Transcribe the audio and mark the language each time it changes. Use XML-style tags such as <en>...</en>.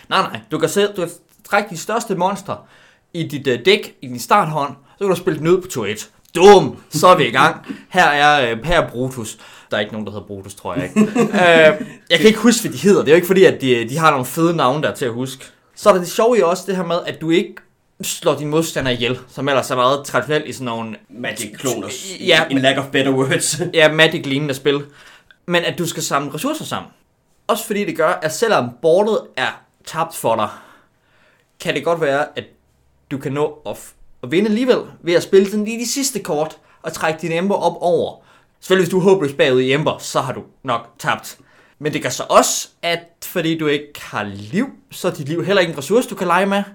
<da>Nej, du kan trække de største monstre i dit dæk, i din starthånd, så kan du spille den ud på 2-1. Dum! Så er vi i gang. Her er Brutus. Der er ikke nogen, der hedder Brutus, tror jeg ikke. Jeg kan ikke huske, hvad de hedder. Det er jo ikke fordi, at de har nogle fede navne der til at huske. Så er det sjove også det her med, at du ikke slår din modstander ihjel, som ellers er meget traditionelt i sådan nogle</da> <en>Magic kloners, in lack of better words.</en> <da>Ja, Magic lignende spil. Men at du skal samle ressourcer sammen. Også fordi det gør, at selvom boardet er tabt for dig, kan det godt være, at du kan nå at vinde alligevel ved at spille den lige de sidste kort og trække din ember op over. Selvfølgelig hvis du er håbløst bagud i ember, så har du nok tabt. Men det gør så også, at fordi du ikke har liv, så er dit liv heller ikke en ressource, du kan lege med.</da>